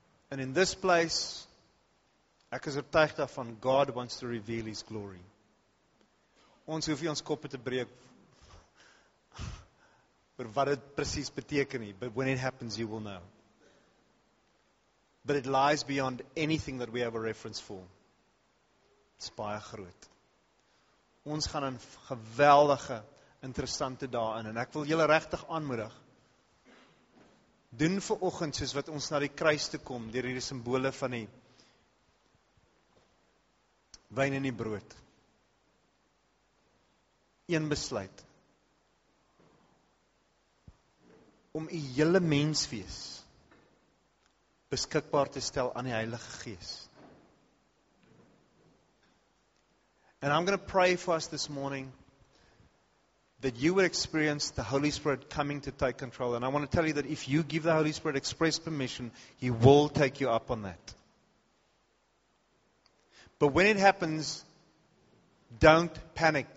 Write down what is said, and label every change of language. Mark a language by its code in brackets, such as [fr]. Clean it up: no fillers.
[en] And in this place, [af] ek is oortuig daarvan, [en] God wants to reveal His glory. [af] Ons hoef nie ons koppe te breek oor wat dit precies beteken nie, [en] but when it happens, you will know. But it lies beyond anything that we have a reference for. It's [af] baie groot. Ons gaan in geweldige, interessante dae in, en ek wil julle regtig aanmoedig, doen vir oggend soos wat ons na die kruis toe kom, deur die simbole van die wyn en die brood. Een besluit. Om die hele menswees beskikbaar te stel aan die Heilige Gees. [en] And I'm going to pray for us this morning that you would experience the Holy Spirit coming to take control. And I want to tell you that if you give the Holy Spirit express permission, He will take you up on that. But when it happens, don't panic.